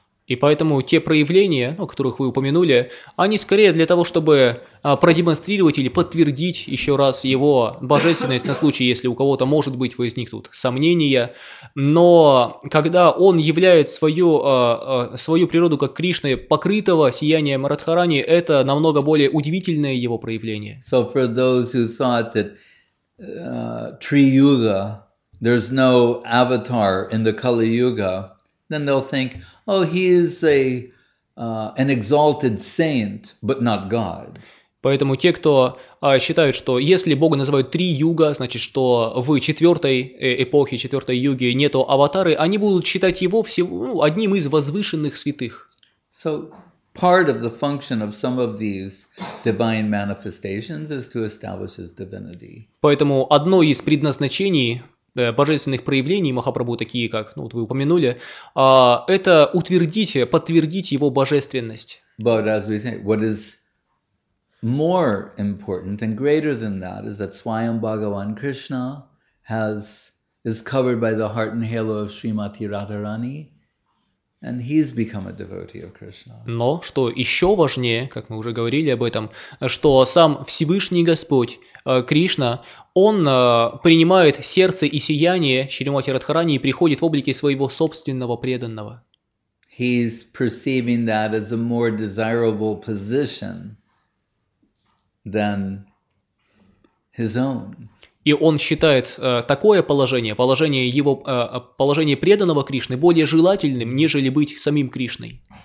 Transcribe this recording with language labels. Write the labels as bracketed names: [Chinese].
[Russian] И поэтому те проявления, о которых вы упомянули, они скорее для того, чтобы продемонстрировать или подтвердить еще раз его божественность на случай, если у кого-то, может быть, возникнут сомнения. Но когда он являет свою природу как Кришны, покрытого сиянием Радхарани, это намного более удивительное его проявление. [English] So for those who thought that Tri-Yuga, there's no avatar in the Kali-Yuga, then they'll think, oh, he is an exalted saint, but not God. [Russian] Поэтому те, кто считают, что если Бога называют три юга, значит, что в четвертой эпохе, четвертой юге нету аватары, они будут считать его одним из возвышенных святых. [English] So part of the function of some of these divine manifestations is to establish his divinity. [Russian] Поэтому одно из предназначений божественных проявлений Махапрабху, такие как, ну, вот вы упомянули, это утвердить, подтвердить его божественность. [English] But as we say, what is more important and greater than that is that Swayam Bhagavan Krishna is covered by the heart and halo of Srimati Radharani, and he's become a devotee of Krishna. [Russian] Но что еще важнее, как мы уже говорили об этом, что сам Всевышний Господь Кришна, он принимает сердце и сияние Шримати Радхарани и приходит в облике своего собственного преданного. [English] He's perceiving that as a more desirable position than his own. [Russian] И он считает такое положение, положение его, положение преданного Кришны, более желательным, нежели быть самим Кришной.